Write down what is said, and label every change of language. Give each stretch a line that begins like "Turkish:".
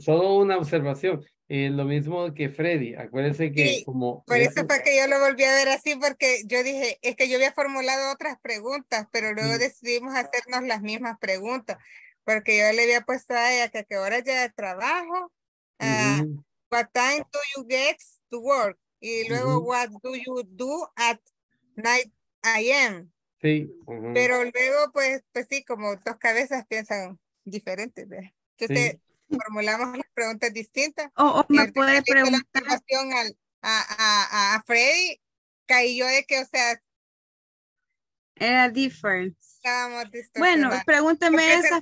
Spanish: Solo una observación. Lo mismo que Freddy. Acuérdense que sí, como... Por eso fue que yo lo volví a ver así, porque yo dije, es que yo había formulado otras preguntas, pero luego decidimos hacernos las mismas preguntas. Porque yo le había puesto a ella que a qué hora llega el trabajo.
English: What time do you get to work?
Spanish: Y luego,
English: what do you do at 9 a.m.?
Spanish: Sí. Pero luego, pues sí, como dos cabezas piensan diferente, ¿ves? Entonces, sí, formulamos las preguntas distintas. Me puede preguntar. A Freddy, caí yo de que, o sea, era diferente. Bueno, pregúntame esas